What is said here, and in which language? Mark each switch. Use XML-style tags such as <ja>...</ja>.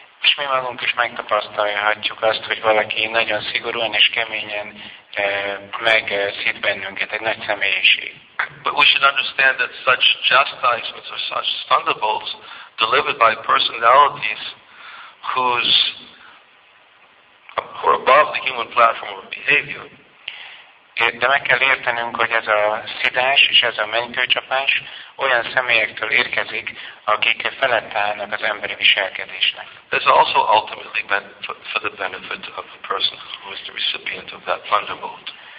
<hu>És mi magunk is megtapasztalhatjuk azt, hogy valaki nagyon szigorúan és keményen megszít bennünket, egy nagy személyiség.</hu> <en>But we should understand that such chastisements or such thunderbolts delivered by personalities whose are above the human platform of behavior.</en> <hu>De meg kell értenünk, hogy ez a szidás és ez a mennykőcsapás olyan személyektől érkezik, akik felett állnak az emberi viselkedésnek.</hu> <en>This also ultimately meant for the benefit of the person who is the recipient of that thunderbolt.</en>